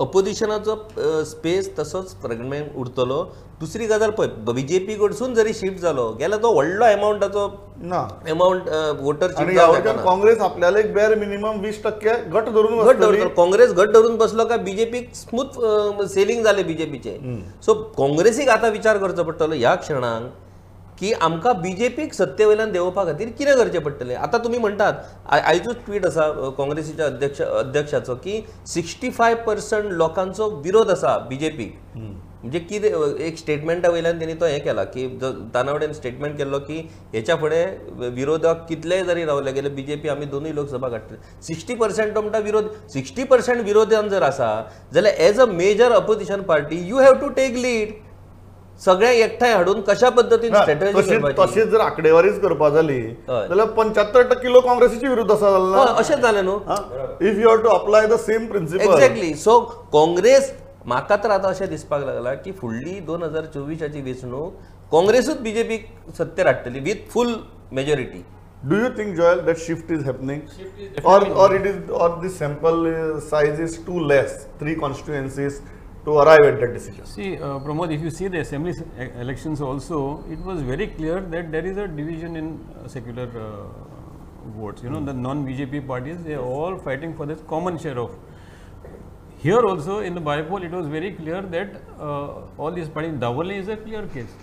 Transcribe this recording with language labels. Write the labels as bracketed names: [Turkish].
[Konkani] ओपोजिशनाचो स्पेस तसोच फ्रेगमेंट उरतलो. दुसरी गजाल पळय, बीजेपी कडसून जरी शिफ्ट जालो गेल्यार तो व्हडलो अमाउंटाचो ना अमाउंट वोटर काँग्रेस आपल्याला एक बेअर मिनिमम 20% घट धरून काँग्रेस घट धरून बसलो काय बीजेपीक स्मूथ सेलिंग झाले बीजेपीचे. सो काँग्रेसीक आता विचार करचो पडटलो ह्या क्षणांक की आमकां बीजेपीक सत्ते वयल्यान देंवपा खातीर कितें करचें पडटलें. आतां तुमी म्हणटात, आयचोच ट्वीट आसा काँग्रेसीच्या अध्यक्षाचो की 65% लोकांचो विरोध आसा बीजेपीक. म्हणजे कितें एक स्टेटमेंटा वयल्यान तेणी तो हें केला की तानावडेन स्टेटमेंट केल्लो की हेच्या फुडें विरोधक कितलेय जरी रावले गेले बीजेपी आमी दोनूय लोकसभा काडटले. 60% तो म्हणटा विरोध, 60% विरोधान जर आसा जाल्यार [English] As a major opposition party you have to take lead. [Konkani] सगळ्यांक एकठांय हाडून कशा पद्दतीन तशीच जर आकडेवारीच करपाक जाली जाल्यार 75% लोक काँग्रेसीच्या विरुद्ध आसा जाल ना. अशेंच जालें न्हू, [English] If you have to apply the same principle. [Konkani] Exactly. सो काँग्रेस म्हाका तर आतां अशें दिसपाक लागला की फुडली 2024 वेंचणूक काँग्रेसूच बीजेपीक सत्तेर हाडटली [English] With full majority. Do you think Joel that shift is happening or it is or the sample size is too less 3 constituencies to arrive at that decision? See, Pramod, if you see the assembly elections also, it was very clear that there is a division in secular votes. You know, the non-BJP parties, they are all fighting for this common share of. Here also, in the bipole, it was very clear that all these parties, Davoli is a clear case.